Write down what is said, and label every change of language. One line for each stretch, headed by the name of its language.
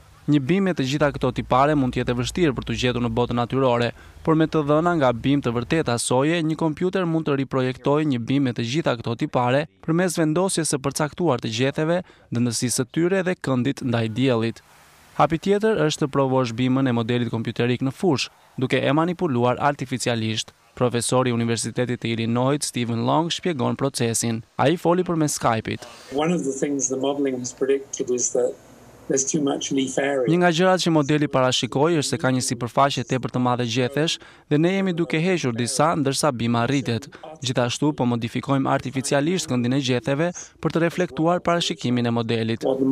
Albanian: Një bimë të gjitha këto tipare mund të jetë e vështirë për të gjetur në botën natyrore, por me të dhëna nga bimë të vërteta soje, një kompjuter mund të riprojektojë një bimë të gjitha këto tipare përmes vendosjes së përcaktuar të gjetheve, dëndësisë së tyre dhe këndit ndaj diellit. Hapi tjetër është të provosh bimën e modelit kompjuterik në fush, duke e manipuluar artificialisht. Profesori i Universitetit të Illinois, Stephen Long, shpjegon procesin. Ai foli përmes Skype-it.
English: One of the things the modeling has predicted is that There's too much leaf area.
Albanian: Një nga gjërat që modeli parashikoi është se ka një sipërfaqe tepër të madhe gjethesh dhe ne jemi duke hequr disa ndërsa bima rritet. Gjithashtu po modifikojmë artificialisht këndin e gjetheve për të reflektuar parashikimin e modelit.